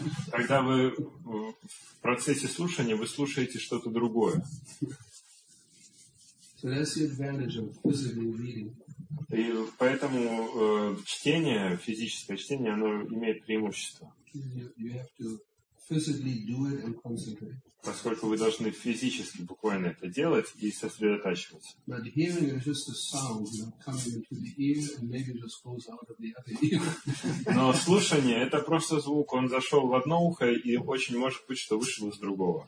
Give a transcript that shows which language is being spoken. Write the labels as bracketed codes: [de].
[ru] Когда вы в процессе слушания, вы слушаете что-то другое. [en] So that's the advantage of physical reading. [ru] И поэтому чтение, физическое чтение, оно имеет преимущество. [en] You have to physically do it and concentrate. [ru] Поскольку вы должны физически буквально это делать и сосредотачиваться. [en] But hearing is just a sound, you know, coming into the ear and maybe just goes out of the other ear. [ru] Но слушание — это просто звук. Он зашел в одно ухо и очень может быть, что вышел из другого.